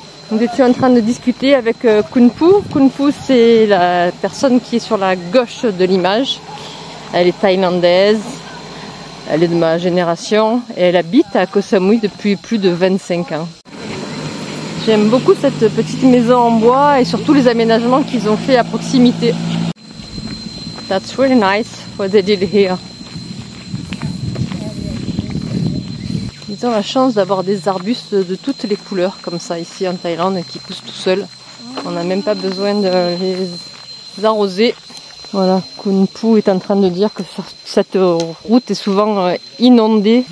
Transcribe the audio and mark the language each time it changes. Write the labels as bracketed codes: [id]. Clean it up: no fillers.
[fr] Nous étions en train de discuter avec Kunpu. Kunpu, c'est la personne qui est sur la gauche de l'image. Elle est thaïlandaise. Elle est de ma génération. Et elle habite à Koh Samui depuis plus de 25 ans. J'aime beaucoup cette petite maison en bois et surtout les aménagements qu'ils ont fait à proximité. [en] That's really nice what they did here. [fr] Ils ont la chance d'avoir des arbustes de toutes les couleurs comme ça ici en Thaïlande qui poussent tout seuls. On n'a même pas besoin de les arroser. Voilà, Kunpu est en train de dire que cette route est souvent inondée.